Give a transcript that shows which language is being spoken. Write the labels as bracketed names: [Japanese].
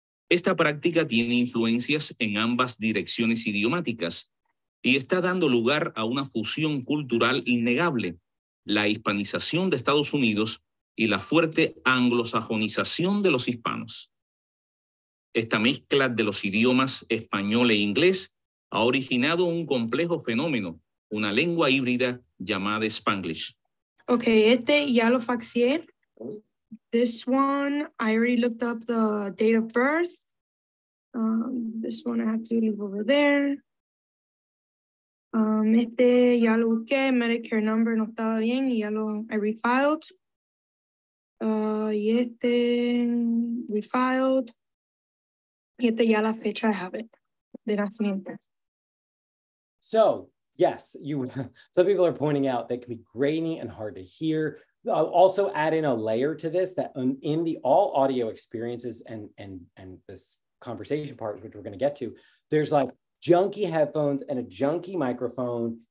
[Spanish] Esta práctica tiene influencias en ambas direcciones idiomáticas y está dando lugar a una fusión cultural innegable, la hispanización de Estados Unidos y la fuerte anglosajonización de los hispanos. Esta mezcla de los idiomas español e inglés ha originado un complejo fenómeno, una lengua híbrida llamada Spanglish. Okay, este ya lo faxié. [English] This one, I already looked up the date of birth. This one I have to leave over there. [Spanish] Este ya lo busqué, Medicare number no estaba bien y ya lo, [English] I refiled. [Spanish] Y este, refiled. Y este ya la fecha [English] I have it, [Spanish] de nacimiento. [English] So, yes, you. Some people are pointing out that can be grainy and hard to hear. I'll also add in a layer to this that in the all audio experiences and this conversation part, which we're going to get to, there's like junky headphones and a junky microphone.